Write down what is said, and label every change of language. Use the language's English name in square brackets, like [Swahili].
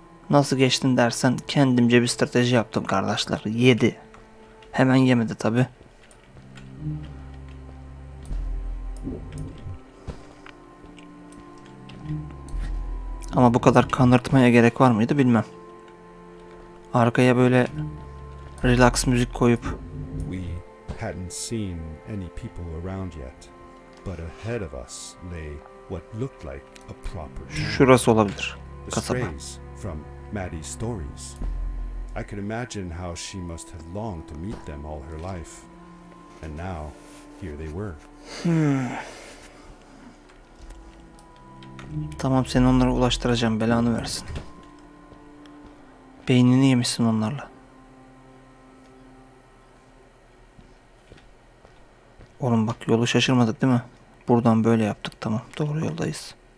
[Turkish] Nasıl geçtin dersen kendimce bir strateji yaptım kardeşler. Yedi. Hemen yemedi tabi. Ama bu kadar kanırtmaya gerek var mıydı bilmem. Arkaya böyle relax müzik koyup. [English] We hadn't seen any people around yet, but ahead of us lay what looked like a proper. [Turkish] Şurası olabilir. Kasaba. [English] From Maddie's stories, I could imagine how she must have longed to meet them all her life, and now here they were. [Turkish] Tamam, seni onlara ulaştıracağım, belanı versin. Beynini yemişsin onlarla. Oğlum bak, yolu şaşırmadık değil mi? Buradan böyle yaptık, tamam, doğru yoldayız.